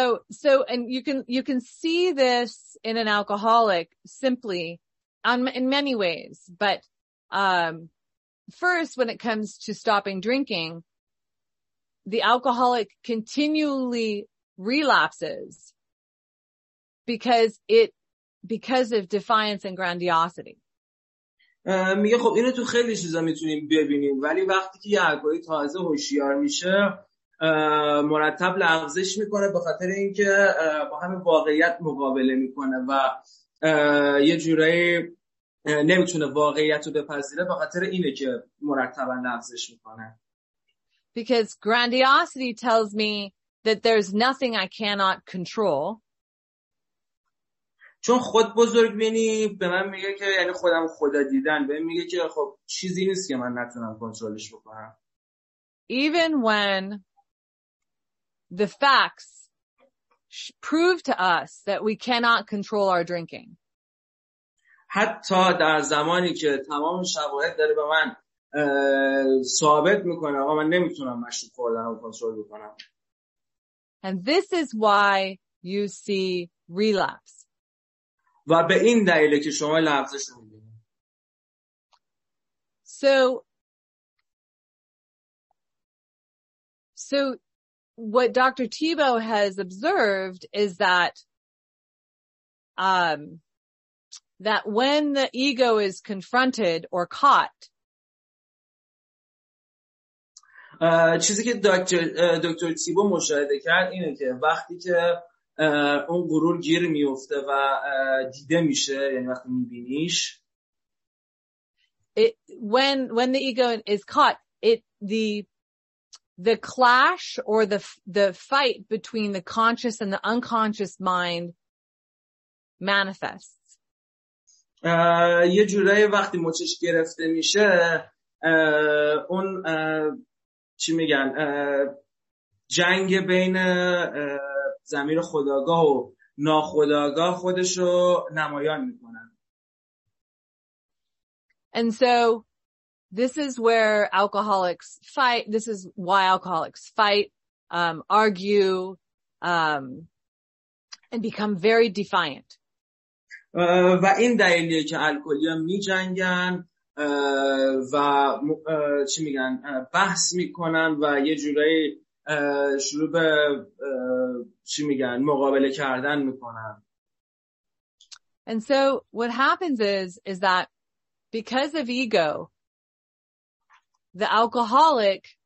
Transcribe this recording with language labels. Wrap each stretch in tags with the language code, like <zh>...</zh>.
<en>So and you can see this in an alcoholic simply in many ways, but first when it comes to stopping drinking, the alcoholic continually relapses because of defiance and grandiosity.</en> <fa>میگه خب اینو تو خیلی چیزا میتونیم ببینیم، ولی وقتی که یه الگوی تازه هوشیار میشه مرتب لغزش میکنه به خاطر اینکه با همه واقعیت مقابله میکنه و یه جورایی نمیتونه واقعیت رو بپذیره به خاطر اینه که مرتبا لغزش میکنه.</fa> <en>Because grandiosity tells me that there's nothing I cannot control.</en> <fa>چون خود بزرگ بینی به من میگه که یعنی خودم خدا دیدن به من میگه که خب چیزی نیست که من نتونم کنترلش بکنم.</fa> <en>Even when the facts prove to us that we cannot control our drinking.</en> <fa>حتی در زمانی که تمام شواهد داره به من ثابت میکنه آقا من نمیتونم مشروب خوردن رو کنترل بکنم.</fa> <en>And this is why you see relapse.</en> <fa>و به این دلیله که شما لغزش رو می‌بینید.</fa> <en>So what Dr. Thibeau has observed is that that when the ego is confronted or caught.</en> <fa>چیزی که دکتر تیبو مشاهده کرد اینه که وقتی که اون غرور گیر میفته و دیده میشه، یعنی وقتی میبینیش</fa> <en>when the ego is caught the clash or the fight between the conscious and the unconscious mind manifests.</en> <fa>یه جورایی وقتی مچش گرفته میشه اون چی میگن جنگ بین زمیر خداگاه و ناخداگاه خودش رو نمایان میکنن.</fa> <en>And so this is where alcoholics fight. This is why alcoholics fight, argue, and become very defiant.</en> <fa>و این دلیلیه که الکلی‌ها می‌جنگن و چی میگن بحث میکنن و یه جورایی شروع به چی میگن مقابله کردن میکنن.</fa> <en>And so what happens is that because of ego the alcoholic</en>